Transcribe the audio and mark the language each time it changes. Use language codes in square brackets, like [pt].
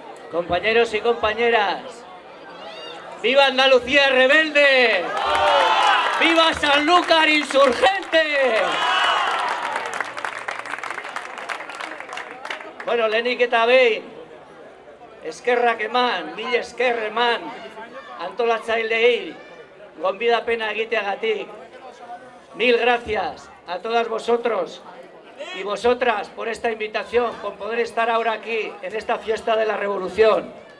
[es] Compañeros y compañeras, ¡viva Andalucía rebelde! ¡Viva Sanlúcar insurgente! [eu] Bueno, lehenik eta behin, eskerrak eman, mil esker eman, antolatzailei, gonbidapena egiteagatik. [es] Mil gracias a todas vosotros y vosotras por esta invitación, por poder estar ahora aquí en esta fiesta de la revolución.